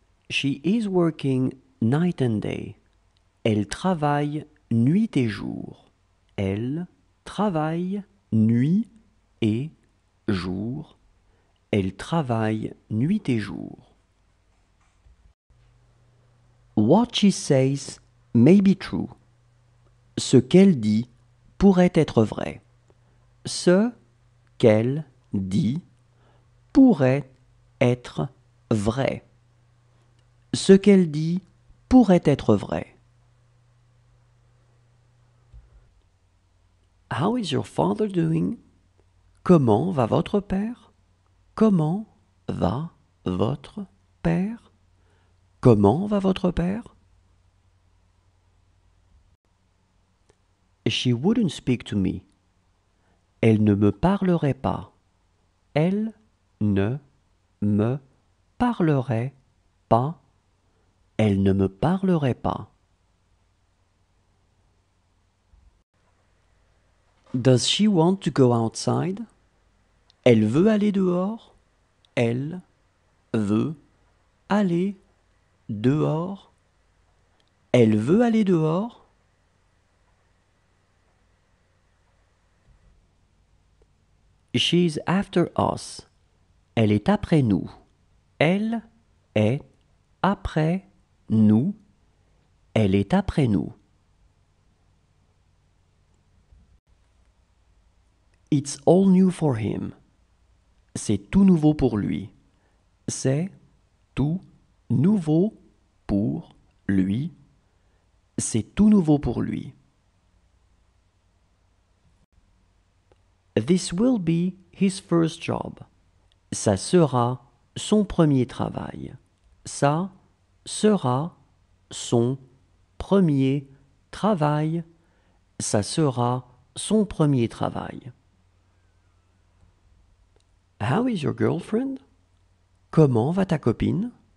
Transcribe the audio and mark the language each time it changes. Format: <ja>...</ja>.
<en>She is working night and day.</en> <fr>Elle travaille nuit et jour. Elle travaille nuit et jour. Elle travaille nuit et jour.</fr> <en>What she says may be true.</en> <fr>Ce qu'elle dit pourrait être vrai. Ce qu'elle dit pourrait être vrai. Ce qu'elle dit pourrait être vrai.</fr> <en>How is your father doing?</en> <fr>Comment va votre père? Comment va votre père? Comment va votre père?</fr> <en>She wouldn't speak to me.</en> <fr>Elle ne me parlerait pas. Elle ne me parlerait pas. Elle ne me parlerait pas.</fr> <en>Does she want to go outside?</en> <fr>Elle veut aller dehors. Elle veut aller dehors. Elle veut aller dehors.</fr> <en>She's after us.</en> <fr>Elle est après nous. Elle est après nous. Elle est après nous.</fr> <en>It's all new for him.</en> <fr>C'est tout nouveau pour lui. C'est tout nouveau pour lui. C'est tout nouveau pour lui.</fr> <en>This will be his first job.</en> <fr>Ça sera son premier travail. Ça sera son premier travail. Ça sera son premier travail.</fr> <en>How is your girlfriend?</en> <fr>Comment va ta copine?</fr>